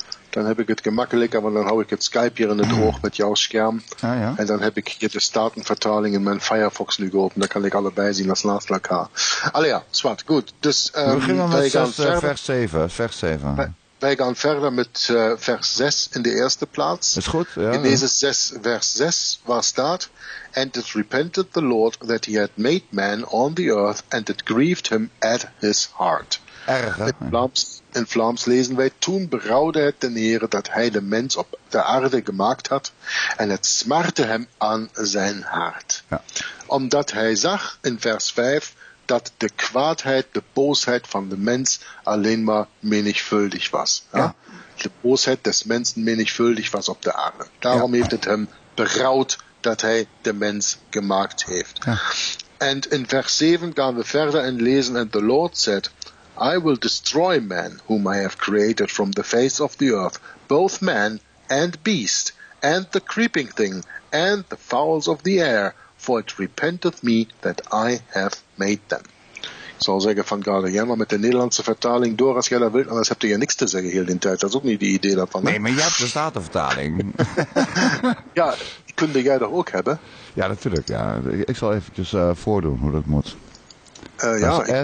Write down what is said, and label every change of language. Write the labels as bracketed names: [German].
[Dutch] Dan heb ik het gemakkelijker, want dan hou ik het Skype hier in het oog met jouw scherm. Ah, ja. En dan heb ik hier de Statenvertaling in mijn Firefox nu geopend. Dan kan ik allebei zien als naast elkaar. Allee ja, zwart, goed. Dus, We beginnen met vers 7. Wij gaan verder met vers 6 in de eerste plaats. Is goed, ja. In deze 6, vers 6, waar staat: [English] And it repented the Lord that he had made man on the earth, and it grieved him at his heart. [Dutch] Erg, hè? In Vlaams lezen wij, toen berouwde het de Heer dat hij de mens op de aarde gemaakt had en het smartte hem aan zijn hart. Ja. Omdat hij zag in vers 5 dat de kwaadheid, de boosheid van de mens alleen maar menigvuldig was. Ja? Ja. De boosheid des mensen menigvuldig was op de aarde. Daarom heeft het hem berouwd dat hij de mens gemaakt heeft. En ja. In vers 7 gaan we verder en lezen, [English] and the Lord said, I will destroy man whom I have created from the face of the earth, both man and beast, and the creeping thing, and the fowls of the air, for it repenteth me that I have made them. [Dutch] Ik zou zeggen van gerade jij maar met de Nederlandse vertaling door als jij dat wilt, anders heb je niks te zeggen heel de tijd. Dat is ook niet de idee daarvan. Nee, maar je hebt de Statenvertaling. Ja, die kunde jij toch ook hebben? Ja, natuurlijk. Ja. Ik zal eventjes voordoen hoe dat moet. Ja,